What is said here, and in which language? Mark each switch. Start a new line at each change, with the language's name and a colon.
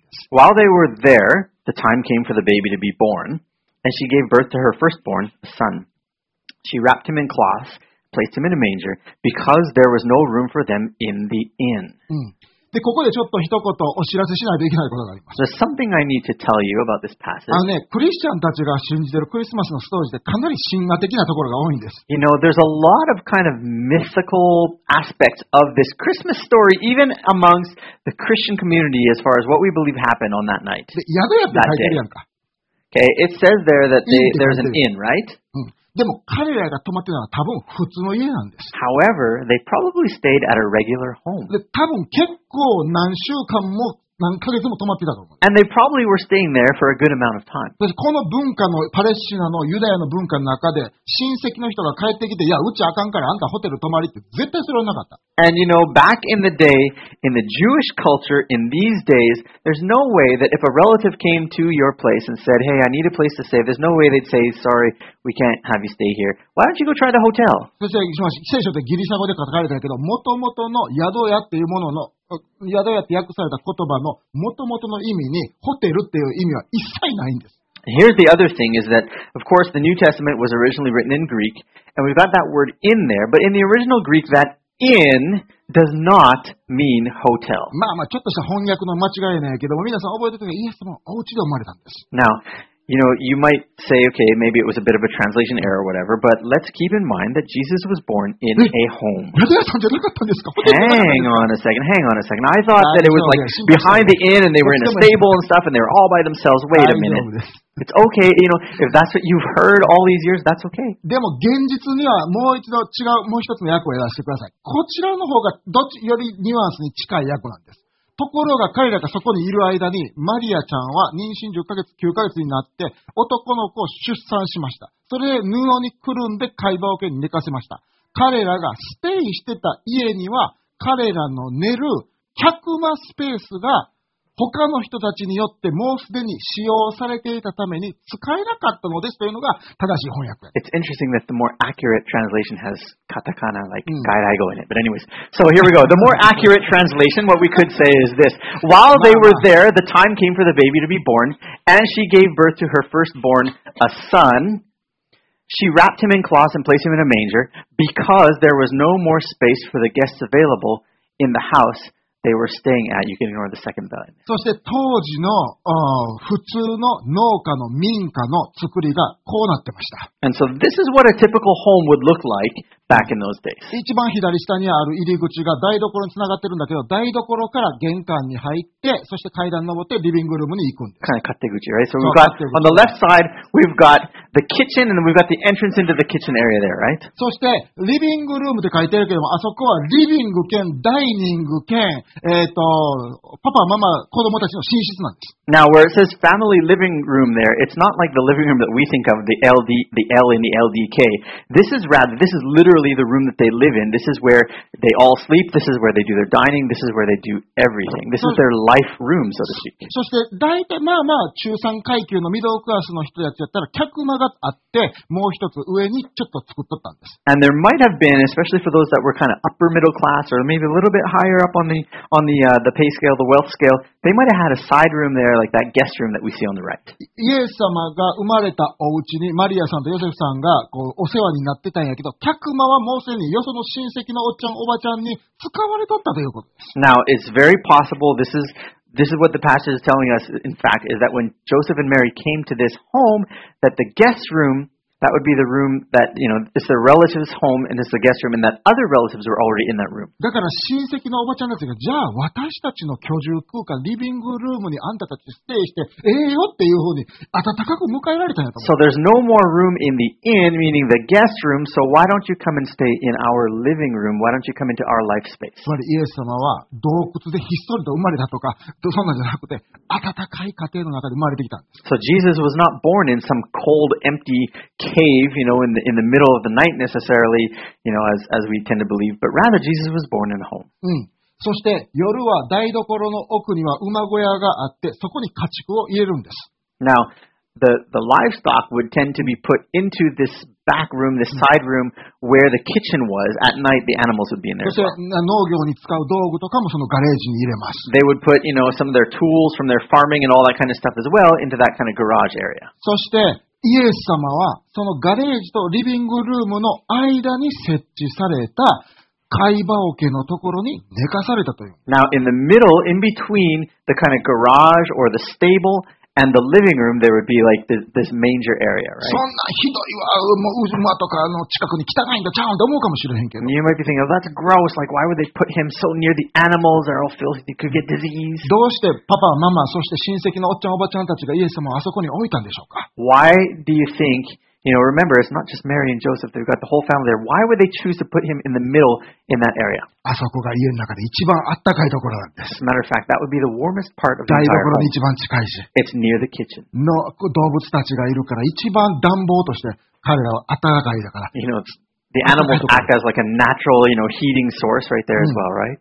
English: While they were there, the time came for the baby to be born, and she gave birth to her firstborn, a son. She wrapped him in cloths, placed him in a manger, because there was no room for them in the inn.、
Japanese: うん、で、ここでちょっと一言お知らせしないといけないことがあります。
English: There's something I need to tell you about this passage.
Japanese: あのね、クリスチャンたちが信じているクリスマスのストーリーでかなり神話的なところが多いんです。
English: You know, there's a lot of kind of mythical aspects of this Christmas story, even amongst the Christian community, as far as what we believe happened on that night.
Japanese: で、宿屋って書いてるやんか。
English: Okay, it says there that there's an inn, right?、
Japanese: うん、でも彼らが泊まってるのは多分普通の家なんです。
English: However, they probably stayed at a regular home.
Japanese: で、多分結構何週間も何ヶ月も泊まってたと思う。
English: And they probably were staying there for a good amount of time.
Japanese: で、この文化のパレスチナのユダヤの文化の中で親戚の人が帰ってきて、いや、うちあかんからあんたホテル泊まりって絶対それはなかった。
English: And you know, back in the day, in the Jewish culture, in these days, there's no way that if a relative came to your place and said, hey, I need a place to stay, there's no way they'd say, sorry, we can't have you stay here. Why don't you go try the hotel?
Japanese: 先生、聖書ってギリシャ語で書かれてるけど、もともとの宿屋っていうものの宿屋って訳された言葉のもともとの意味にホテルっていう意味は一切ないんです。
English: Here's the other thing is that, of course, the New Testament was originally written in Greek, and we've got that word in there, but in the original Greek, that in does not mean hotel.
Japanese: まあまあちょっとした翻訳の間違いないけども、皆さん覚えてください。イエス様はお家で生まれたんです。
English: Now, you know, you might say, okay, maybe it was a bit of a translation error or whatever, but let's keep in mind that Jesus was born in a home.
Japanese: 宿屋さんじゃなかったんですか？
English: Hang on a second. I thought that it was like behind the inn and they were in a stable and stuff and they were all by themselves. Wait a minute. It's okay, you know, if that's what you've heard all these years, that's okay.
Japanese: でも現実にはもう一度違う、もう一つの訳を言わせてください。こちらの方がどっちよりニュアンスに近い訳なんです。ところが彼らがそこにいる間にマリアちゃんは妊娠10ヶ月9ヶ月になって男の子を出産しました。それで布にくるんで貝羽桶に寝かせました。彼らがステイしてた家には彼らの寝る客間スペースが他の人たちによってもうすでに使用されていたために使えなかったのですというのが正しい翻訳。
English: It's interesting that the more accurate translation has katakana like gairaigo in it. But anyways, so here we go. The more accurate translation, what we could say is this. While they were there, the time came for the baby to be born, and she gave birth to her firstborn, a son. She wrapped him in cloths and placed him in a manger, because there was no more space for the guests available in the house. They were staying at. You can ignore the second button.
Japanese: そして当時の普通の農家の民家の作りがこうなってました。
English: And so this is what a typical home would look like back in those days.
Japanese: 一番左下にある入り口が台所につながってるんだけど、台所から玄関に入って、そして階段登ってリビングルームに行くんです。
English: Kind of 勝手口、right? So we've got on the left side, we've got the kitchen, and we've got the entrance into the kitchen area there, right?
Japanese: そしてリビングルームって書いてるけども、あそこはリビング兼ダイニング兼パパ、ママ、子供たちの寝室なんです。
English: Now, where it says family living room there, it's not like the living room that we think of, the L in the LDK. This is literally the room that they live in. This is where they all sleep. This is where they do their dining. This is where they do everything. This is their life room, so to speak.
Japanese: そして、大体、まあまあ、中産階級のミドルクラスの人たちだったら、客間があって、もう一つ上にちょっと作っとったんです。
English: And there might have been, especially for those that were kind of upper middle class, or maybe a little bit higher up on the pay scale, the wealth scale, they might have had a side room there, like that guest room that we see on the right.
Japanese: イエス様が生まれたお家にマリアさんとヨセフさんがこうお世話になってたんやけど、客間はもうすでによその親戚のおっちゃんおばちゃんに使われとったということです。
English: Now, it's very possible this is what the passage is telling us, in fact, is that when Joseph and Mary came to this home, that the guest room... That would be the room that, you know, it's the relative's home and it's the guest room and that other relatives were already in that room.
Japanese: だから親戚のおばちゃんたちが、じゃあ私たちの居住空間、リビングルームにあんたたちステイして、ええよっていうふうに温かく迎えられたんやと思う。
English: So there's no more room in the inn, meaning the guest room, so why don't you come and stay in our living room? Why don't you come into our life space?
Japanese: つまりイエス様は洞窟でひっそりと生まれたとか、そんなんじゃなくて、温かい家庭の中で生まれてきたんです。
English: So Jesus was not born in some cold, empty cave, you know, in the middle of the night necessarily, you know, as we tend to believe, but rather Jesus was born in a home.
Japanese: うん。そして夜は台所の奥には馬小屋があって、そこに家畜を入れるんです。
English: Now, the livestock would tend to be put into this back room, this side room, where the kitchen was. At night, the animals would be in there.
Japanese: そして農業に使う道具とかもそのガレージに入れます。
English: They would put, you know, some of their tools from their farming and all that kind of stuff as well into that kind of garage area.
Japanese: そしてイエス様はそのガレージとリビングルームの間に設置された貝場桶のところに寝かされたという。
English: Now, in the middle, in between the kind of garage or the stable and the living room, there would be like this manger area, right?
Japanese: そんなひどいわ、もう馬とかの近くに汚いんだちゃうんと思うかもしれへんけど。
English: You might be thinking, oh, that's gross. Like, why would they put him so near the animals? They're all filthy. They could get disease.
Japanese: どうしてパパ、ママ、そして親戚のおっちゃん、おばちゃんたちがイエス様をあそこに置いたんでしょうか？
English: Why do you think... You know, remember, it's not just Mary and Joseph. They've got the whole family there. Why would they choose to put him in the middle in that area?
Japanese: あそこが家の中で一番あったかいところなんです。
English: As a matter of fact, that would be the warmest part of the entire house.
Japanese: 台所に一番近いし。
English: It's near the kitchen.
Japanese: の動物たちがいるから一番暖房として彼らはあったかいだから。
English: You know, the animals act as like a natural, you know, heating source right there as well, right?